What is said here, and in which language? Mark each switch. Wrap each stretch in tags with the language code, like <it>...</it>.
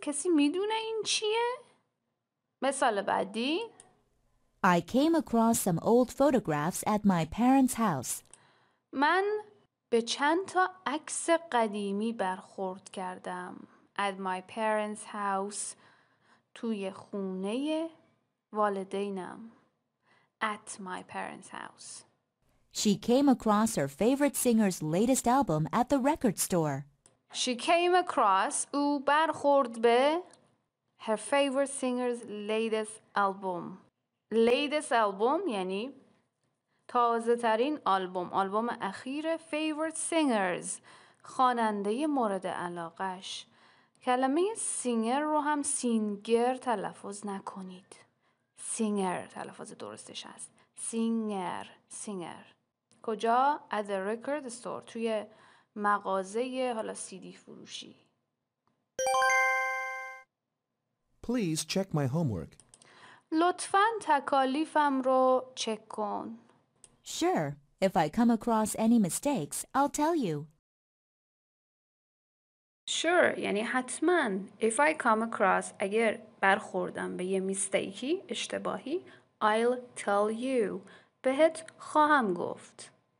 <fa>کسی میدونه این چیه؟ مثال بعدی.</fa> <en>I came across some old photographs at my parents' house.</en> <fa>من به چند تا عکس قدیمی برخورد کردم.</fa> <en>At my parents' house.</en> <fa>توی خونه والدینم.</fa> <en>At my parents' house. She came across her favorite singer's latest album at the record store. She came across</en> <fa>او برخورد به</fa> <en>her favorite singer's latest album. Latest album</en> <fa>یعنی تازه ترین آلبوم. آلبوم اخیر</fa> <en>favorite singers،</en> <fa>خواننده مورد علاقش. کلمه singer رو هم singer تلفظ نکنید. Singer تلفظ درستش هست.</fa> <en>Singer. کجا؟ At the record store.</en> <fa>توی مغازه حالا CD فروشی.</fa> <en>Please check my homework.</en> <fa>لطفاً تکالیفم رو چک کن.</fa> <en>Sure. If I come across any mistakes, I'll tell you.</en> <fa>Sure یعنی حتماً.</fa> <en>If I come across،</en> <fa>اگر برخوردم به یه میستیکی، اشتباهی،</fa> <en>I'll tell you،</en> <fa>بهت خواهم گفت.</fa>